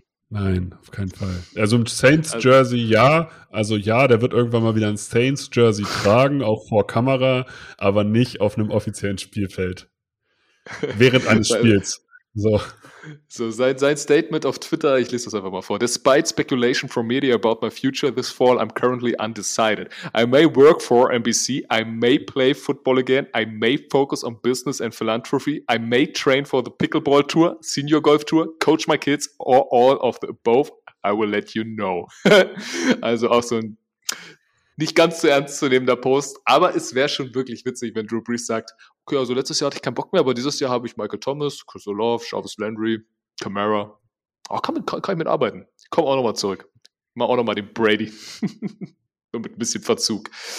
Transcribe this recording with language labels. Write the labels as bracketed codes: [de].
[de] Nein, auf keinen Fall. Also im Saints Jersey, ja. Also ja, der wird irgendwann mal wieder ein Saints Jersey tragen, auch vor Kamera, aber nicht auf einem offiziellen Spielfeld. Während eines Spiels. So sein Statement auf Twitter, ich lese das einfach mal vor. [en] Despite speculation from media about my future this fall, I'm currently undecided. I may work for NBC, I may play football again, I may focus on business and philanthropy, I may train for the pickleball tour, senior golf tour, coach my kids or all of the above, I will let you know. [de] Also auch so ein nicht ganz so ernst zu nehmender Post, aber es wäre schon wirklich witzig, wenn Drew Brees sagt, okay, also letztes Jahr hatte ich keinen Bock mehr, aber dieses Jahr habe ich Michael Thomas, Chris Olave, Jarvis Landry, Kamara. Auch kann ich mitarbeiten. Komm auch nochmal zurück. Mach auch nochmal den Brady. Mit ein bisschen Verzug.